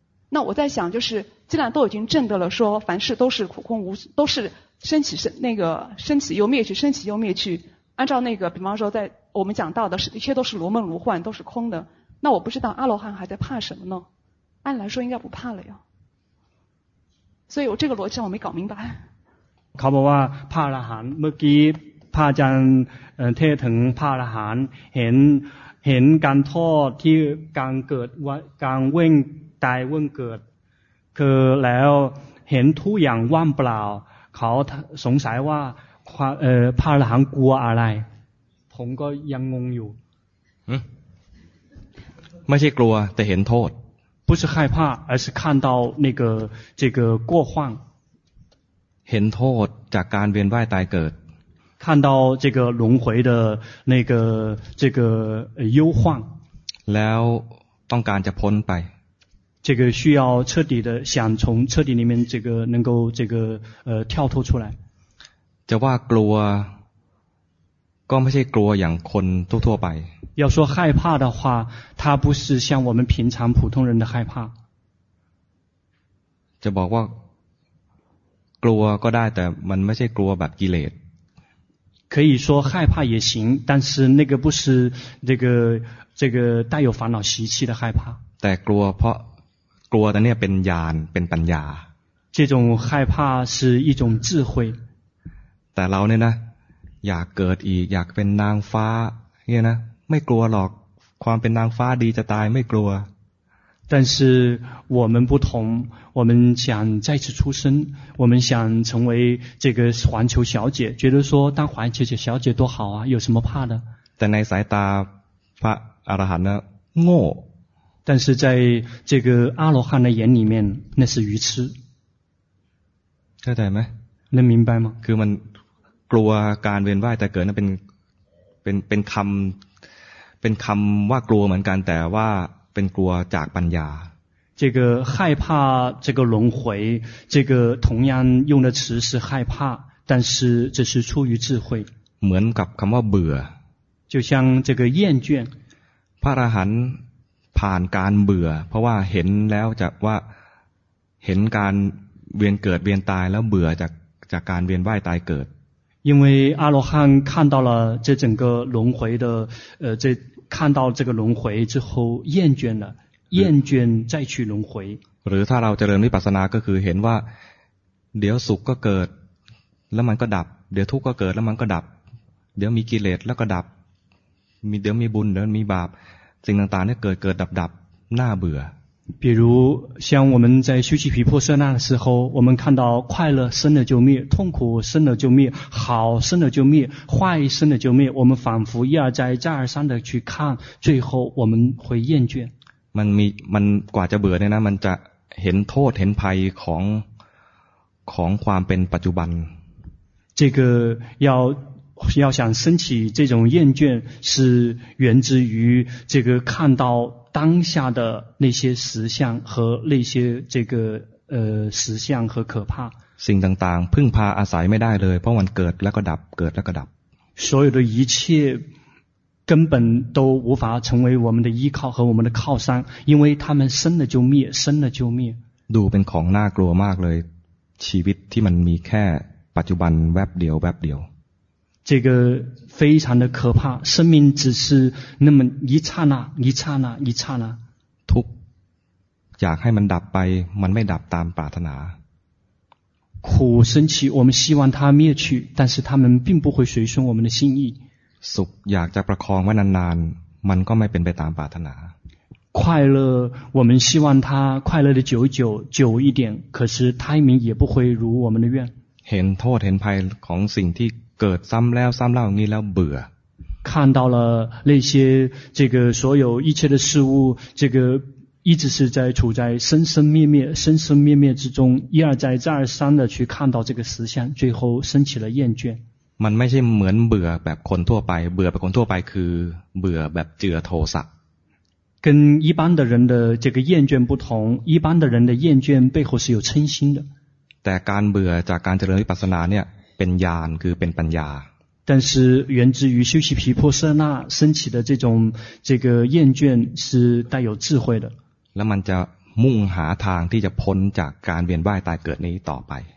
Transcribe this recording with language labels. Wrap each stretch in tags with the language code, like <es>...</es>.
<zh>那我在想，就是既然都已经证得了说凡事都是苦空无，都是生起生那个生起又灭去，生起又灭去，按照那个比方说在我们讲到的是一切都是如梦如幻，都是空的，那我不知道阿罗汉还在怕什么呢？按来说应该不怕了呀，所以我这个逻辑我没搞明白。</zh> <th>เขาบอกว่าพระอรหันต์เมื่อกี้พระอาจารย์เทศถึงพระอรหันต์เห็นการทอดที่การเกิดว่าการเว่งตายเวิ่งเกิดคือแล้วเห็นทุกอย่างว่างเปล่าเขาสงสัยว่าพระอรหันต์กลัวอะไรผมก็ยังงงอยู่ไม่ใช่กลัวแต่เห็นโทษ</th> <zh>不是害怕而是看到那个这个过患</zh> <th>เห็นโทษจากการเวียนว่ายตายเกิด</th> <zh>看到这个轮回的那个这个忧患</zh> <th>แล้วต้องการจะพ้นไป</th> <zh>这个需要彻底的想从彻底里面这个能够这个跳脱出来</zh> <th>จะว่ากลัวก็ไม่ใช่กลัวอย่างคนทั่วไป</th> <zh>要说害怕的话它不是像我们平常普通人的害怕</zh> <th>จะบอกว่ากลัวก็ได้แต่มันไม่ใช่กลัวแบบกิเลส</th> <zh>可以说害怕也行但是那个不是这个带有烦恼习气的害怕</zh> <th>แต่กลัวเพราะกลัวแต่เนี่ยเป็นญาณเป็นปัญญา</th> <zh>这种害怕是一种智慧</zh> <th>แต่เราเนี่ยนะอยากเกิดอีกอยากเป็นนางฟ้าเนี่ยนะไม่กลัวหรอกความเป็นนางฟ้าดีจะตายไม่กลัว</th> <zh>但是我们不同我们想再次出生我们想成为这个环球小姐觉得说当环球小姐多好啊有什么怕的</zh> <th>แต่ในสายตาพระอรหันต์นะโง่</th> <zh>但是在这个阿罗汉的眼里面那是愚痴</zh> <th>เข้าใจไหม</th> <zh>能明白吗</zh> <th>คือมันกลัวการเวียนว่ายแต่เกิดนั้นเป็นคำว่ากลัวเหมือนกันแต่ว่าเป็นกลัวจากปัญญา</th> <zh>这个害怕这个轮回这个同样用的词是害怕但是这是出于智慧</zh> <th>เหมือนกับคำว่าเบื่อ</th> <zh>就像这个厌倦</zh> <th>พระอรหันต์ผ่านการเบื่อเพราะว่าเห็นแล้วจะว่าเห็นการเวียนเกิดเวียนตายแล้วเบื่อจากการเวียนว่ายตายเกิด</th> <zh>因为阿罗汉看到了这整个轮回的这看到这个轮回之后厌倦了厌倦再去轮回</zh> <th>หรือถ้าเราเจริญวิปัสสนาก็คือเห็นว่าเดี๋ยวสุขก็เกิดแล้วมันก็ดับเดี๋ยวทุกข์ก็เกิดแล้วมันก็ดับเดี๋ยวมีกิเลสแล้วก็ดับมีเดี๋ยวมีบุญเดี๋ยวมีบาปสิ่งต่างๆเนี่ยเกิดดับน่าเบื่อ</th> <zh>比如像我们在修习毗婆舍那的时候我们看到快乐生了就灭痛苦生了就灭好生了就灭坏生了就灭我们仿佛一而再再而三的去看最后我们会厌倦</zh> <th>มันกว่าจะเบื่อเนี่ยนะมันจะเห็นโทษเห็นภัยของความเป็นปัจจุบัน</th> <zh>这个要想升起这种厌倦是源自于这个看到当下的那些实相和那些这个实相和可怕</zh> <th>สิ่งต่างๆพึ่งพาอาศัยไม่ได้เลยเพราะมันเกิดแล้วก็ดับเกิดแล้วก็ดับ</th> <zh>所有的一切根本都无法成为我们的依靠和我们的靠山因为他们生了就灭生了就灭</zh> <th>ดูเป็นของน่ากลัวมากเลยชีวิตที่มันมีแค่ปัจจุบันแวบเดียวแวบเดียว</th> <zh>这个非常的可怕生命只是那么一刹那一刹那一刹那</zh> <th>ทุกอยากให้มันดับไปมันไม่ดับตามปรารถนา</th> <zh>苦升起我们希望它灭去但是它们并不会随顺我们的心意</zh> <th>สุขอยากจะประคองไว้นานๆมันก็ไม่เป็นไปตามปรารถนา</th> <zh>快乐，我们希望他快乐的久久久一点，可是他明也不会如我们的愿。</zh> <th>เห็นโทษเห็นภัยของสิ่งที่เกิดซ้ำแล้วซ้ำเล่าอย่างนี้แล้วเบื่อ</th> <zh>看到了那些这个所有一切的事物，这个一直是在处在生生灭灭、生生灭灭之中，一而再、再而三的去看到这个实相，最后生起了厌倦。</zh> <th>มันไม่ใช่เหมือนเบื่อแบบคนทั่วไปเบื่อแบบคนทั่วไปคือเบื่อแบบเจือโทสะ</th> <zh>跟一般的人的这个厌倦不同，一般的人的厌倦背后是有嗔心的。</zh> <th>แต่การเบื่อจากการเจริญวิปัสสนาเนี่ยเป็นญาณคือเป็นปัญญา</th> <zh>但是源自于修习毗婆舍那升起的这种这个厌倦是带有智慧的</zh> <th>แล้วมันจะมุ่งหาทางที่จะพ้นจากการเวียนว่ายตายเกิดนี้ต่อไป</th>